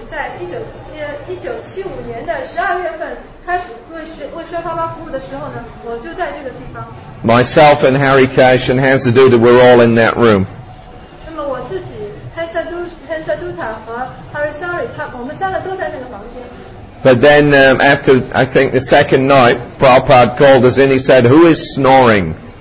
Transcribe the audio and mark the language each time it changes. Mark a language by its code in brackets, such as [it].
[zh] 始在1975年的十二月份开始为薛发发服务的时候呢，我就在这个地方。 [en] Myself and Harry Cash and Hansaduta were all in that room. [zh] 那么我自己 Hansaduta 和 Harry Sari 我们三个都在那个房间。 [en] But then after, I think, the second night, Prabhupada called us in, he said, who is snoring?